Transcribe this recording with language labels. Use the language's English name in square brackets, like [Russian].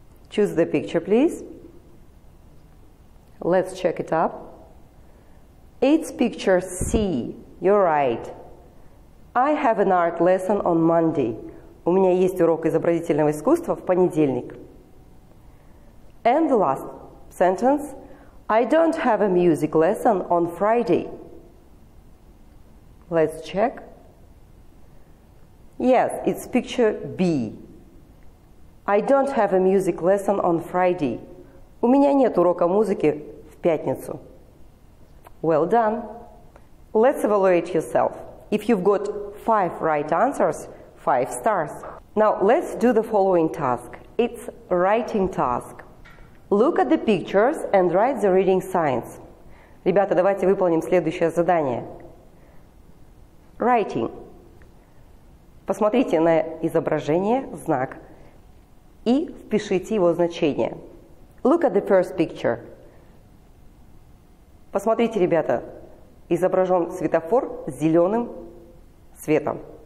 [English] Choose the picture, please. Let's check it up. It's picture C. You're right. I have an art lesson on Monday. [Russian] У меня есть урок изобразительного искусства в понедельник. [English] And the last sentence. I don't have a music lesson on Friday. Let's check. Yes, it's picture B. I don't have a music lesson on Friday. [Russian] У меня нет урока музыки в пятницу. [English] Well done. Let's evaluate yourself. If you've got 5 right answers, 5 stars. Now, let's do the following task. It's writing task. Look at the pictures and write the reading signs. [Russian] Ребята, давайте выполним следующее задание. [English] Writing. [Russian] Посмотрите на изображение, знак, и впишите его значение. [English] Look at the first picture. [Russian] Посмотрите, ребята, изображен светофор зеленым светом.